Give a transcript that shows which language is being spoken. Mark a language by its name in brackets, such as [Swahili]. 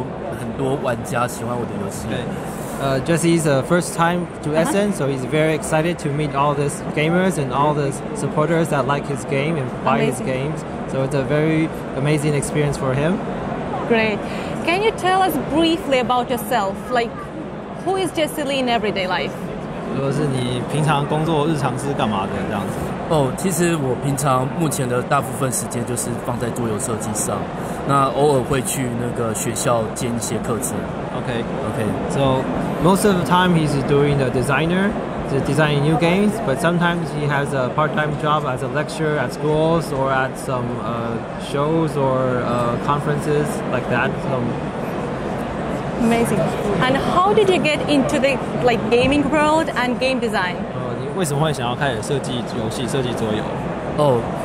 [Chinese] 就今年的状况如何这样子？今年的状况如何？对对对。哦，我第一次来艾森，那还蛮兴奋，能够看到说很多玩家喜欢我的游戏。 [English] Jesse is the first time to Essen, so he's very excited to meet all these gamers and all the supporters that like his game and buy his games. So it's a very amazing experience for him. Great. Can you tell us briefly about yourself? Like, who is Jesse Lee in everyday life? [Chinese] 如果是你平常工作日常是干嘛的这样子？哦，其实我平常目前的大部分时间就是放在桌游设计上。那偶尔会去那个学校兼一些课程。 [English] Okay, okay. So most of the time he's doing the designer, he's designing new games, but sometimes he has a part-time job as a lecturer at schools or at some shows or conferences like that. So amazing. And how did you get into the like gaming world and game design? [Chinese] 你为什么会想要开始设计游戏、设计桌游？